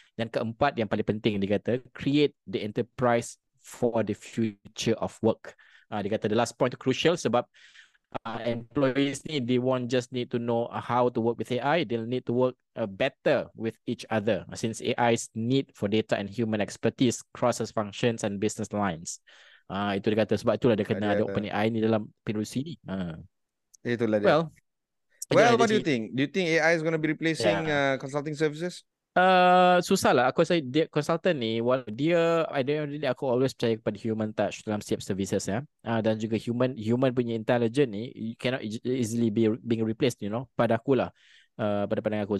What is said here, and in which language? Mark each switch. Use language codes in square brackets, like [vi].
[ms] Dan keempat yang paling penting dia kata, [en] create the enterprise for the future of work. [ms] Dia kata [en] the last point crucial sebab employees ni, they won't just need to know how to work with AI, they'll need to work better with each other since AI's need for data and human expertise crosses functions and business lines. [ms] Itu dia kata, sebab itulah dia kena ada open AI ni dalam PwC ni. Itulah dia. [en] Well, what do you think? Do you think AI is going to be replacing consulting services? [ms] Susah lah. Aku rasa dia consultant ni, aku always percaya kepada human touch dalam setiap services ya. Dan juga human punya intelligence ni [en] cannot easily be being replaced, you know, [ms] pada aku lah. pada pandangan aku.